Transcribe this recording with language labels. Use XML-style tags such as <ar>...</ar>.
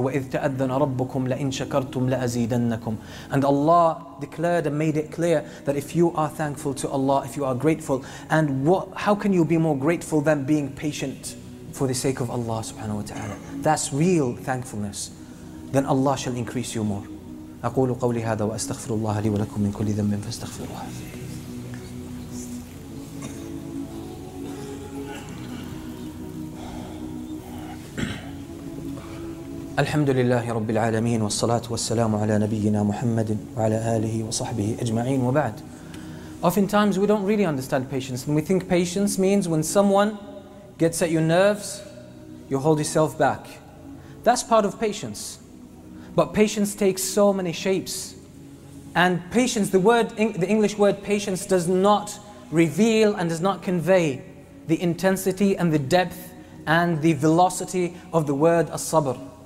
<ar>وَإِذْ تَأَذَّنَ رَبُّكُمْ لَإِنْ شَكَرْتُمْ لَأَزِيدَنَّكُمْ.</ar> <en>And Allah declared and made it clear that if you are thankful to Allah, if you are grateful, and how can you be more grateful than being patient for the sake of Allah subhanahu wa ta'ala? That's real thankfulness. Then Allah shall increase you more.</en> <ar>أقول قولي هذا وأستغفر الله لي ولكم من كل ذنب فاستغفروه. الحمد لله رب العالمين والصلاة والسلام على نبينا محمد وعلى آله وصحبه أجمعين وبعد.</ar> <en>Oftentimes we don't really understand patience, and we think patience means when someone gets at your nerves, you hold yourself back. That's part of patience. But patience takes so many shapes. And patience, the English word patience, does not reveal and does not convey the intensity and the depth and the velocity of the word as-sabr.</en>